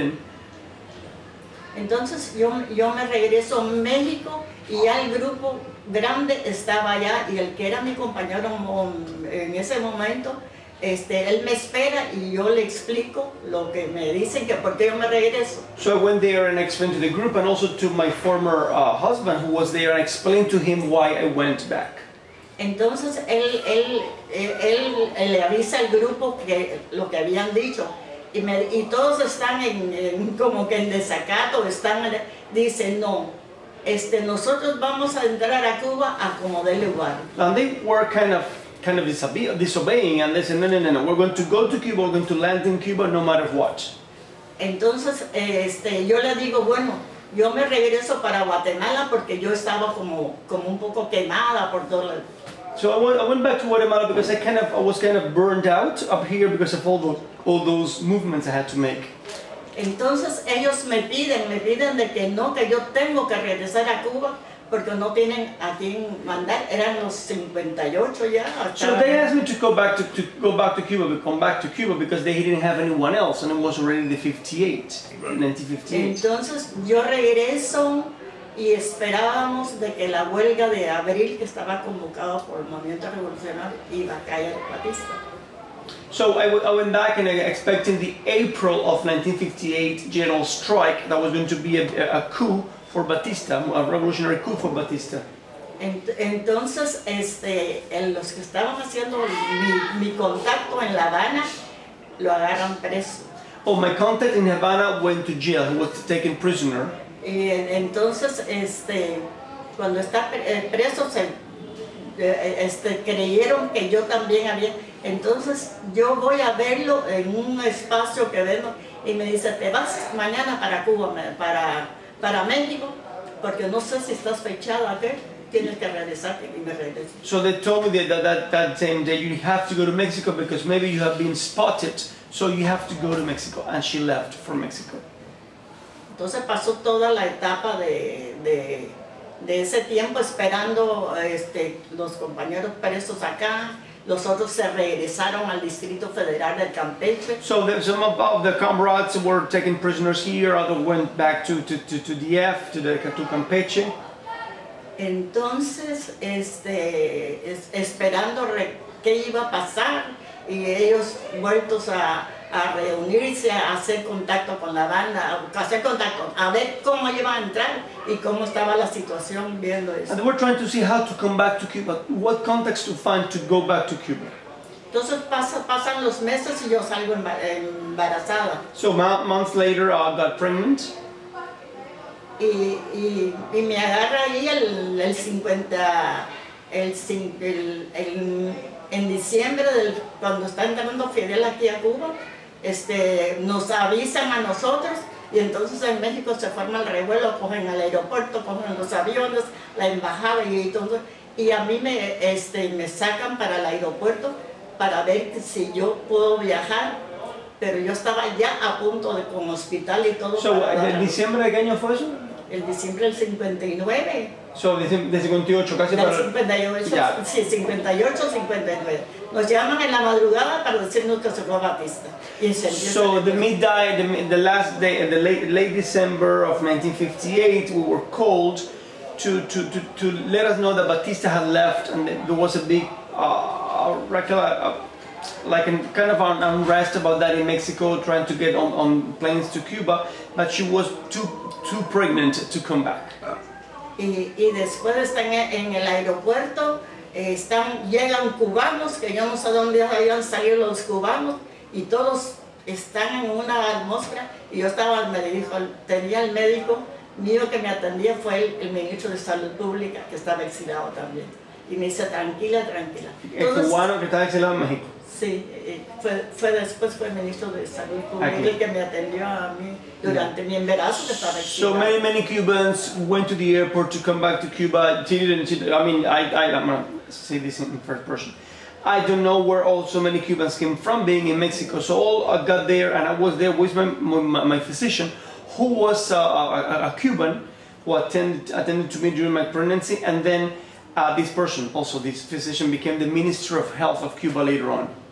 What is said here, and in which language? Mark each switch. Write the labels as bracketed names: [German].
[English] And... [Spanish] Entonces yo me regreso a México y ya el grupo grande estaba allá y el que era mi compañero en ese momento, él me espera y yo le explico lo que me dicen que por qué yo me regreso. [English] So I went there and explained to the group and also to my former husband who was there and explained to him why I went back. [Spanish] Entonces él le avisa al grupo que lo que habían dicho y todos están en como que en desacato, están dicen no. Nosotros vamos a entrar a Cuba a como dé lugar. [English] And they were kind of disobeying, and they said, no, we're going to go to Cuba, we're going to land in Cuba no matter what. [Spanish] Entonces, yo le digo, bueno, yo me regreso para Guatemala porque yo estaba como un poco quemada por todo el... [English] So I went back to Guatemala because I was kind of burned out up here because of all those movements I had to make. [Spanish] Entonces, ellos me piden de que no, que yo tengo que regresar a Cuba. Porque no tienen a quien mandar, eran los 58 ya. [English] So they asked me to come back to Cuba because they didn't have anyone else and it was already the 58, 1958. [Spanish] Entonces yo regreso y esperábamos de que la huelga de abril que estaba convocada por el movimiento revolucionario iba a caer Batista. [English] So I went back and expecting the April of 1958 general strike that was going to be a coup for Batista, a revolutionary coup for Batista. [Spanish] Entonces, los que estaban haciendo mi contacto en La Habana, lo agarran preso. [English] Oh, my contact in Havana went to jail, he was taken prisoner. [Spanish] Y entonces, cuando está preso, creyeron que yo también había... Entonces, yo voy a verlo en un espacio que vendo, y me dice, te vas mañana para Cuba, para México, porque no sé si estás fechada, tienes que regresarte y me regreso. [English] So they told me that same day you have to go to Mexico because maybe you have been spotted, so you have to go to Mexico, and she left for Mexico. [Spanish] Entonces pasó toda la etapa de ese tiempo esperando los compañeros presos acá. Los otros se regresaron al Distrito Federal del Campeche. [English] So some of the comrades were taken prisoners here, others went back to DF, to Campeche. [Spanish] Entonces, esperando qué iba a pasar, y ellos vueltos a reunirse, a hacer contacto con la banda, a ver cómo iba a entrar y cómo estaba la situación viendo eso. [English] And they were trying to see how to come back to Cuba, what contacts to find to go back to Cuba. [Spanish] Entonces pasan los meses y yo salgo embarazada. [English] So months later I got pregnant. [Spanish] Y me agarra ahí en diciembre cuando está entrando Fidel aquí a Cuba. Nos avisan a nosotros y entonces en México se forma el revuelo, cogen al aeropuerto, cogen los aviones, la embajada y todo. Y a mí me sacan para el aeropuerto para ver si yo puedo viajar, pero yo estaba ya a punto de con hospital y todo. So, ¿en diciembre de qué año fue eso? El diciembre del 59. So, de 58, casi para... 58, yeah. Sí, 58, 59. Nos llaman en la madrugada para decirnos que se fue a Batista. [English] So the midnight, the last day, the late December of 1958, we were called to let us know that Batista had left, and there was a big kind of an unrest about that in Mexico, trying to get on planes to Cuba, but she was too pregnant to come back. [Spanish] Y después están en el aeropuerto, llegan cubanos que yo no sé dónde habían salido los cubanos y todos están en una atmósfera y yo estaba, me dijo, tenía el médico mío que me atendía, fue el ministro de Salud Pública, que estaba exilado también. Y me dice, tranquila, tranquila. ¿El cubano que estaba exilado en México? Sí, fue después fue el ministro de Salud Pública aquí, el que me atendió a mí durante mi embarazo, que estaba exilado. [English] So many, many Cubans went to the airport to come back to Cuba. I'm going to say this in first person. I don't know where all so many Cubans came from being in Mexico. So all I got there, and I was there with my physician, who was a Cuban, who attended to me during my pregnancy, and then this person, also this physician, became the Minister of Health of Cuba later on.